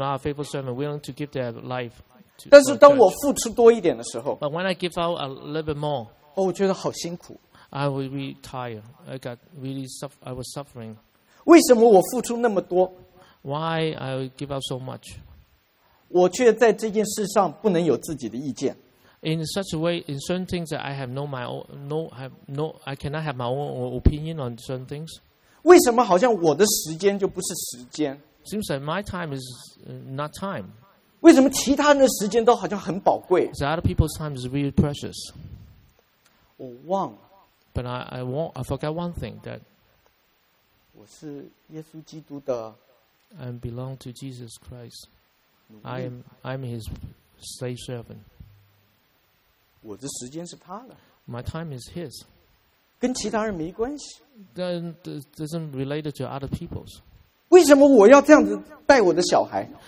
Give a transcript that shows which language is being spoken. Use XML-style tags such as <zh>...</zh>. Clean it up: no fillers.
<en>A faithful servant willing to give their life.</en> <zh>但是当我付出多一点的时候</zh> <en>，But when I give out a little bit more,</en> <zh>我觉得好辛苦。</zh> <en>I was really tired. I got really I was suffering.</en> <zh>为什么我付出那么多</zh> <en>？Why I give out so much?</en> <zh>我却在这件事上不能有自己的意见。</zh> <en>In such a way, in certain things, I have no my own, no have no, I cannot have my own opinion on certain things.</en> <zh>为什么好像我的时间就不是时间</zh> <en>？Seems like my time is not time.</en> <zh>为什么其他人的时间都好像很宝贵</zh> <en>？The other people's time is really precious.</en> <zh>我忘了。</zh> <en>But I forgot one thing that</en> <zh>我是耶稣基督的。</zh> <en>I belong to Jesus Christ. I'm his slave servant.</en> <zh>我的时间是他的。</zh> <en>My time is his.</en> <zh>跟其他人没关系。</zh> <en>Then doesn't related to other people's.</en> <zh>为什么我要这样子带我的小孩</zh>